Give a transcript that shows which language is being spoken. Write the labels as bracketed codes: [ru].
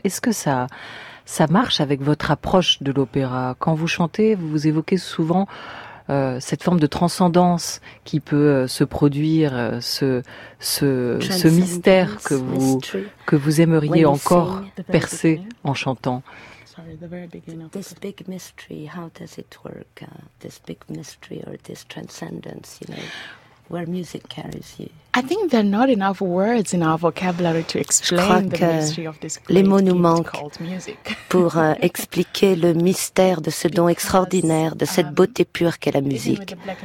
[fr] Est-ce que ça marche avec votre approche de l'opéra? Quand vous chantez, vous évoquez souvent cette forme de transcendance qui peut se produire, ce mystère que vous aimeriez encore percer en chantant. [en] This big mystery, how does it work? This big mystery or this transcendence, you know, where music carries you. I think there are not enough words in our vocabulary to explain the mystery of this great gift called music. [fr] Je crois que les mots nous manquent pour expliquer le mystère de ce don extraordinaire, de cette beauté pure qu'est la musique.